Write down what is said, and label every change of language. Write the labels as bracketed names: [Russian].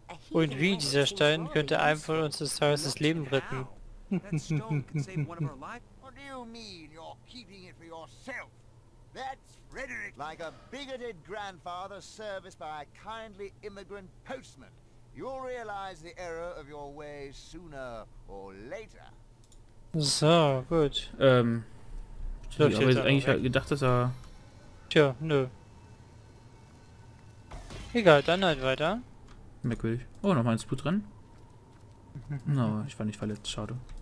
[German] Und wie, dieser Stein könnte einem von uns des Tages das Leben retten. [English] That's Frederick, like a bigoted grandfather serviced by a kindly immigrant postman. You'll realize the error of your ways sooner or later. [German] So, gut. Ich habe jetzt eigentlich gedacht, dass er... Tja, nö. Egal, dann halt weiter. Merkwürdig. Oh, nochmal ein Sput drin. Na, no, ich war nicht verletzt, schade.